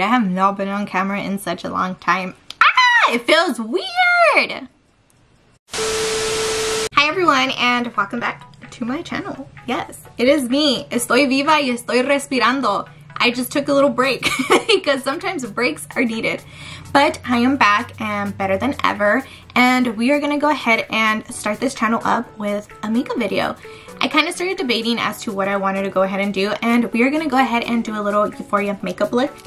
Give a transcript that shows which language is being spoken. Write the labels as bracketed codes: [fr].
[en] I have not been on camera in such a long time. Ah! It feels weird! Hi everyone and welcome back to my channel. Yes, it is me. [es] Estoy viva y estoy respirando. [en] I just took a little break because sometimes breaks are needed. But I am back and better than ever. And we are gonna go ahead and start this channel up with a makeup video. I kind of started debating as to what I wanted to go ahead and do, and we are gonna go ahead and do a little Euphoria makeup look.